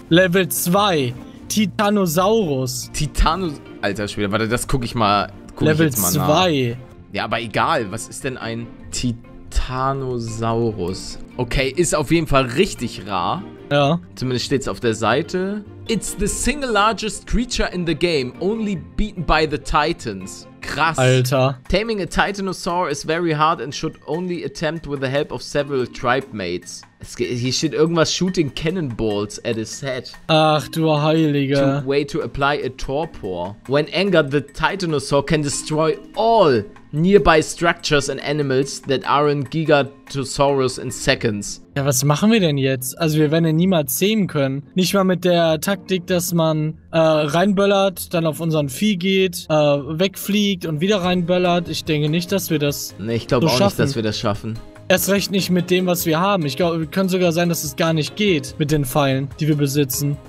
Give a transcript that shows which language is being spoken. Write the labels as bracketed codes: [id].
[en] Level 2. Titanosaurus. [de] Alter Schwede, warte, das guck ich mal. Level 2. Ja, aber egal. Was ist denn ein Titanosaurus? Okay, ist auf jeden Fall richtig rar. Ja. Zumindest steht's auf der Seite. [en] It's the single largest creature in the game, only beaten by the Titans. [de] Krass. Alter. [en] Taming a Titanosaur is very hard and should only attempt with the help of several tribe mates. [de] Hier steht irgendwas, [en] shooting cannonballs at his head. [de] Ach du Heilige. [en] To way to apply a torpor. When angered, the Titanosaur can destroy all nearby structures and animals that aren't Gigantosaurus in seconds. [de] Ja, was machen wir denn jetzt? Also wir werden ihn niemals zähmen können. Nicht mal mit der Taktik, dass man reinböllert, dann auf unseren Vieh geht, wegfliegt und wieder reinböllert. Ich denke nicht, dass wir das schaffen. Nee, ich glaube auch nicht, dass wir das schaffen. Erst recht nicht mit dem, was wir haben. Ich glaube, es kann sogar sein, dass es gar nicht geht mit den Pfeilen, die wir besitzen.